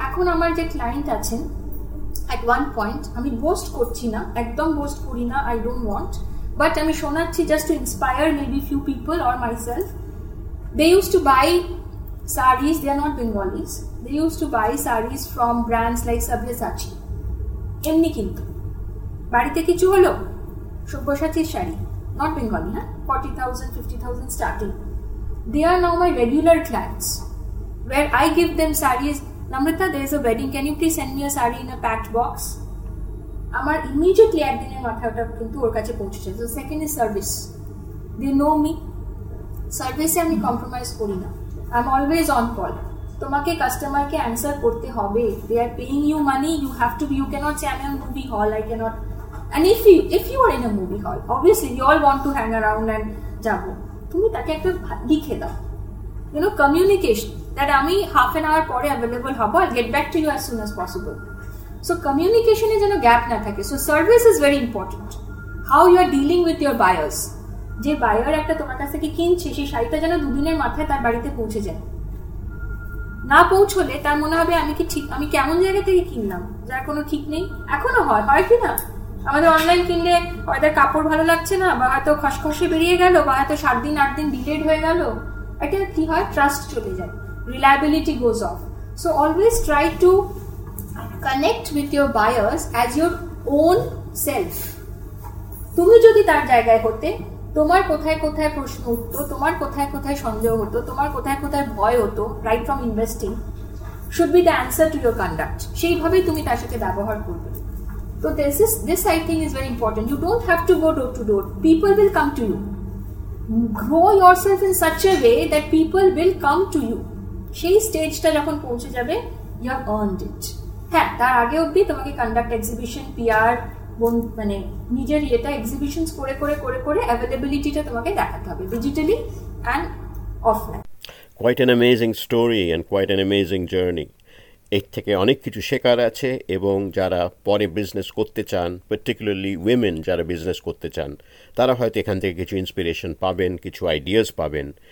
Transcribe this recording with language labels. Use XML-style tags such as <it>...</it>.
<bn>এখন আমার যে ক্লায়েন্ট আছেন,</bn> <en>at one point,</en> <bn>আমি বোস্ট করছি না, একদম বোস্ট করি না,</bn> <en>I don't want,</en> <bn>বাট আমি শোনাচ্ছি</bn> <en>Just to inspire maybe few people or myself. They use to buy saris, they are not Bengalis, they use to buy saris from brands like Sabyasachi.</en> <bn>এমনি কিন্তু বাড়িতে কিছু হলো সব্যসাচীর sari,</bn> <en>not Bengali,</en> <bn>হ্যাঁ 40,000-50,000 starting.</bn> <en>They are now my regular clients where I give them sarees, Namrata, there is a wedding, can you please send me a saree in a packed box?</en> <bn>Amar immediately ek diner matha ota kintu or kache pouchhe.</bn> <en>So second is service, they know me,</en> <bn>service e ami compromise kori na,</bn> <en>I am always on call,</en> <bn>tomake customer ke answer korte hobe,</bn> <en>they are paying you money, you have to be, you cannot say I am in a movie hall, I cannot. And if you are in a movie hall, obviously you all want to hang around and</en> <bn>jabo, tumi take ekta likhe dao,</bn> <en>you know, communication that আমি half an hour পরে available হবো, I get back to you as soon as possible.</en> <bn>So কমিউনিকেশনে যেন gap না থাকে।</bn> <en>so service is very important, how you are dealing with your buyers,</en> <bn>যে buyer একটা তোমার কাছ থেকে কিনছে সেই শাড়িটা যেন দুদিনের মাথায় তার বাড়িতে পৌঁছে যায়, না পৌঁছলে তার মনে হবে আমি কি ঠিক, আমি কেমন জায়গা থেকে কিনলাম যার কোনো ঠিক নেই। এখনো হয় কি না, আমাদের অনলাইন কিনলে হয়তো কাপড় ভালো লাগছে না, বা হয়তো খসখসে বেরিয়ে গেল, বা হয়তো 7-8 দিন ডিলেড হয়ে গেল, এটা কি হয়, ট্রাস্ট চলে যায়,</bn> <en>reliability goes off. So always try to connect with your buyers as your own self.</en> <bn>তুমি যদি তার জায়গায় হতে, তোমার কোথায় কোথায় প্রশ্ন উঠতো, তোমার কোথায় কোথায় সন্দেহ হতো, তোমার কোথায় কোথায় ভয় হতো,</bn> <en>right from investing should be the answer to your conduct.</en> <bn>সেইভাবেই তুমি তার সাথে ব্যবহার করবে।</bn> <en>So this I think is very important. You don't have to go door to door. People will come to you. Grow yourself in such a way that people will come to you.</en> <bn>সেই স্টেজটা যখন পৌঁছে যাবে,</bn> <en>You have earned it.</en> <bn>হ্যাঁ, তার আগে অবধি তোমাকে কন্ডাক্ট, এক্সিবিশন, পিআর, মানে নিজের ইয়েটা এক্সিবিশন করে করে করে করে অ্যাভেলেবিলিটিটা তোমাকে দেখাতে হবে digitally and offline.</bn> <en>Quite an amazing story and quite an amazing journey.</en> <bn>এর থেকে অনেক কিছু শেখার আছে, এবং যারা পরে বিজনেস করতে চান, পার্টিকুলারলি উইমেন যারা বিজনেস করতে চান, তারা হয়তো এখান থেকে কিছু ইন্সপিরেশন পাবেন, কিছু আইডিয়াস পাবেন।</bn>